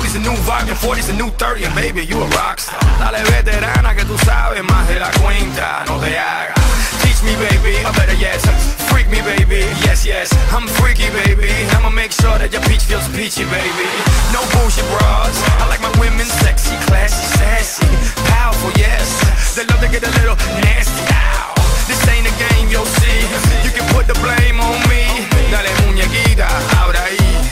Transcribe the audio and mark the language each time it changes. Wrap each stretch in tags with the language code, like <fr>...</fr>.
<en>new vibe, your 40's the new 30, and baby, you a rockstar.</en> <es>Dale veterana que tú sabes más de la cuenta, no te hagas.</es> <en>Teach me, baby, a better yes. Freak me, baby, yes, yes. I'm freaky, baby. I'ma make sure that your peach feels peachy, baby. No bullshit bras. I like my women sexy, classy, sassy. Powerful, yes. They love to get a little nasty. Ow. This ain't a game, you'll see. You can put the blame on me.</en> <es>Dale muñequita, abra ahí.</es>